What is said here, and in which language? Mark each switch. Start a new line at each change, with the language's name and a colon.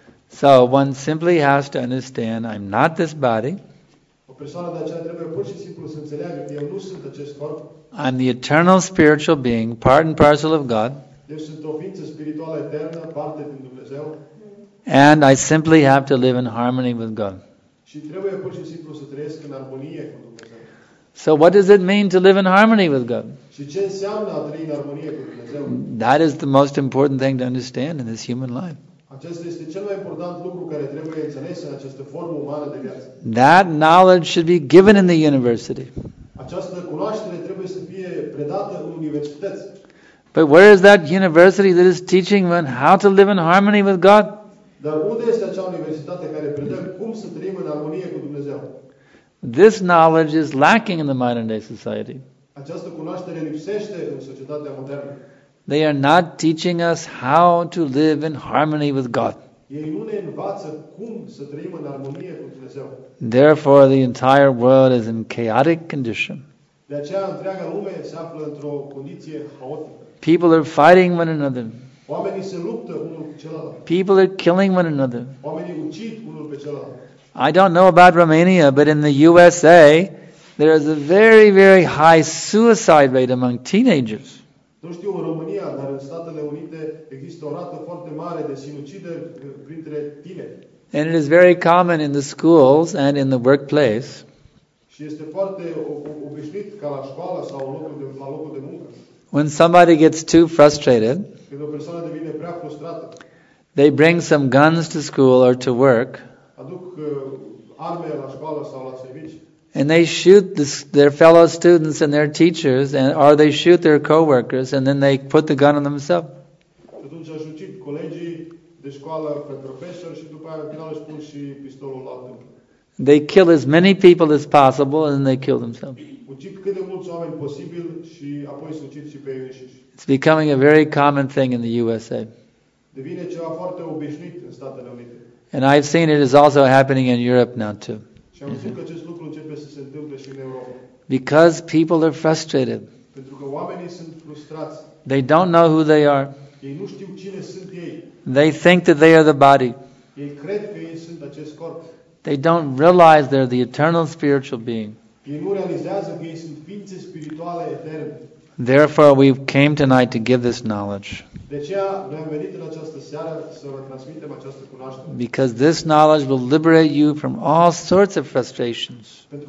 English: So one simply has to understand, I'm not this body. I'm the eternal spiritual being, part and parcel of God.
Romanian: Eu sunt o ființă spirituală eternă, parte din Dumnezeu.
English: And I simply have to live in harmony with God.
Romanian: Și trebuie pur și simplu să trăiesc în armonie cu Dumnezeu.
English: So what does it mean to live in harmony with God?
Romanian: Și ce înseamnă a trăi în armonie cu Dumnezeu?
English: That is the most important thing to understand in this human life.
Romanian: Acesta este cel mai important lucru care trebuie înțeles în această formă umană de viață.
English: That knowledge should be given in the university.
Romanian: Această cunoaștere trebuie să fie predată în universități.
English: But where is that university that is teaching one how to live in harmony with God?
Romanian: Dar unde este acea universitate care predă cum să trăim în armonie cu Dumnezeu?
English: This knowledge is lacking in the modern day society.
Romanian: Această cunoaștere lipsește în societatea modernă.
English: They are not teaching us how to live in harmony with God.
Romanian: Ei nu ne învață cum să trăim în armonie cu Dumnezeu.
English: Therefore, the entire world is in chaotic condition.
Romanian: De aceea întreaga lume se află într-o condiție haotică.
English: People are fighting one another.
Romanian: Oamenii se luptă unul pe celălalt.
English: People are killing one another.
Romanian: Oamenii ucid unul pe celălalt.
English: I don't know about Romania, but in the USA, there is a very, very high suicide rate among teenagers.
Romanian: Nu știu în România, dar în Statele Unite există o rată foarte mare de sinucideri printre tineri.
English: And it is very common in the schools and in the workplace.
Romanian: Și este foarte obișnuit ca la școală sau la locul de muncă.
English: When somebody gets too frustrated,
Romanian: când o persoană devine prea frustrată,
English: they bring some guns to school or to work,
Romanian: aduc arme la școală sau la serviciu,
English: and they shoot their fellow students and their teachers, or they shoot their co-workers, and then they put the gun on themselves.
Romanian: Atunci aș ucid colegii de școală pe profesor și după aia, în final, își pun și pistolul la tâmplă.
English: They kill as many people as possible and they kill themselves.
Romanian: Ucid cât de mulți oameni posibil și apoi să ucid și pe ei înșiși.
English: It's becoming a very common thing in the USA.
Romanian: Devine ceva foarte obișnuit în Statele Unite.
English: And I've seen it is also happening in Europe now too.
Romanian: Și am văzut că acest lucru începe să se întâmple și în Europa.
English: Because people are frustrated.
Romanian: Pentru că oamenii sunt frustrați.
English: They don't know who they are.
Romanian: Ei nu știu cine sunt ei.
English: They think that they are the body.
Romanian: Ei cred că ei sunt acest corp.
English: They don't realize they're the eternal spiritual being.
Romanian: Ei nu realizează că ei sunt ființe spirituale eterne.
English: Therefore, we came tonight to give this knowledge. Because this knowledge will liberate you from all sorts of frustrations.